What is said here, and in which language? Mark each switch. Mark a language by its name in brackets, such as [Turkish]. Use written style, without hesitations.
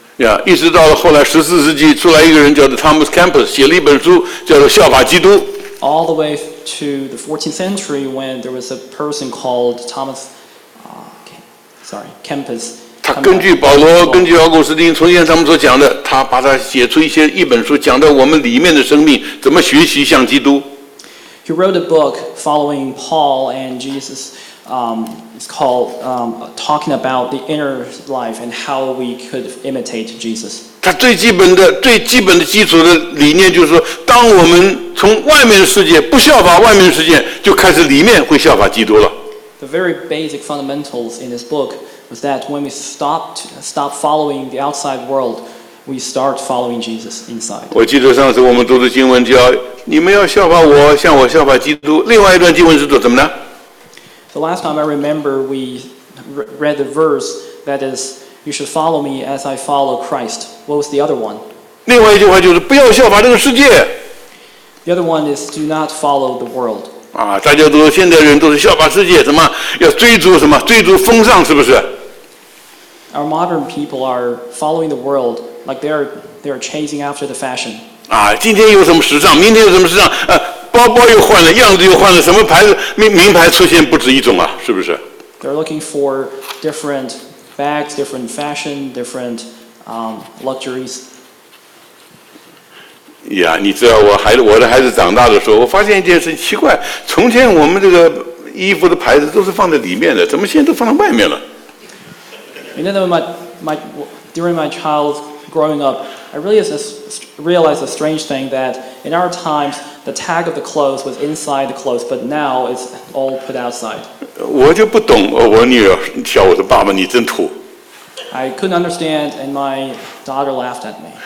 [Chinese] Yeah, 一直到了后来十四世纪出来一个人叫做 Thomas Kempis 写了一本书叫做《效法基督》。 [English] All the way to the 14th century when there was a person called Thomas, Kempis. [Chinese] 他根据保罗，根据奥古斯丁，从前他们所讲的，他把他写出一本书，讲到我们里面的生命怎么学习像基督。 [English] He wrote a book following Paul and Jesus. It's called Talking About the Inner Life and How We Could Imitate Jesus. [Chinese] 他最基本的基础的理念就是说，当我们从外面的世界不效法外面的世界，就开始里面会效法基督了。 [English] the very basic fundamentals in this book was that when we stop following the outside world, we start following Jesus inside. [Chinese] 我记得上次我们读的经文叫你们要效法我，像我效法基督。另外一段经文是读怎么呢？ [English] The last time I remember, we read the verse that is, "You should follow me as I follow Christ." What was the other one? [Chinese] 另外一句话就是不要效法这个世界。 [English] The other one is, "Do not follow the world." [Chinese] 啊，大家都现在人都是效法世界，什么要追逐什么，追逐风尚，是不是？ [English] Our modern people are following the world like they are chasing after the fashion. [Chinese] 啊，今天有什么时尚，明天有什么时尚，包包又换了，样子又换了，什么牌子 名牌出现不止一种啊，是不是？ [English] They're looking for different bags, different fashion, different luxuries. [Chinese] Yeah, 你知道我的孩子长大的时候，我发现一件事奇怪，从前我们这个衣服的牌子都是放在里面的，怎么现在都放在外面了？ [English] You know, during my childGrowing up, I really realized a strange thing that in our times, the tag of the clothes was inside the clothes, but now it's all put outside. [Chinese] 我就不懂，我女儿笑我说：“爸爸，你真土。” [English] I couldn't understand, and my daughter laughed at me.